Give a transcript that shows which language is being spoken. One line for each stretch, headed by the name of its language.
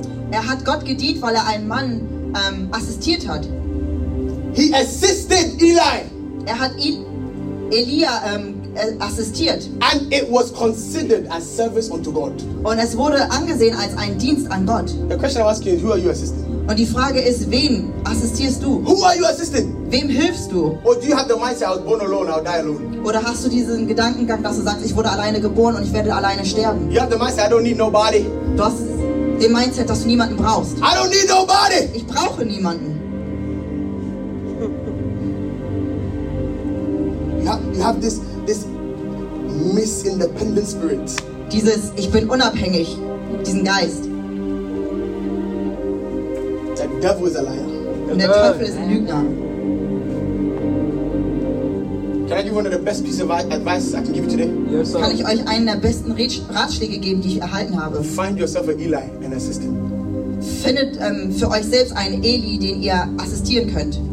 German: Er hat Gott gedient, weil er einen Mann assistiert hat.
English: He assisted Eli.
German: Er hat Elia assistiert.
English: And it was considered as service unto God.
German: Und es wurde angesehen als ein Dienst an Gott.
English: The question I'm asking is, who are you assisting?
German: Und die Frage ist, wen assistierst du?
English: Who are you assisting?
German: Wem hilfst du?
English: Or do you have the mindset, I was born alone, I'll die alone?
German: Oder hast du diesen Gedankengang, dass du sagst, ich wurde alleine geboren und ich werde alleine sterben?
English: You have the mindset, I don't need nobody.
German: Du hast dem Mindset, dass du niemanden brauchst.
English: I don't need nobody.
German: Ich brauche niemanden.
English: You have this misindependent spirit.
German: Dieses, ich bin unabhängig, diesen Geist.
English: The devil is a liar.
German: Und der Teufel ist ein Lügner.
English: Can I give one of the best pieces of advice I can give you today? Yes, sir.
German: Kann ich euch einen der besten Ratschläge geben, die ich erhalten habe?
English: Find yourself an Eli and assist him.
German: Findet für euch selbst einen Eli, den ihr assistieren könnt.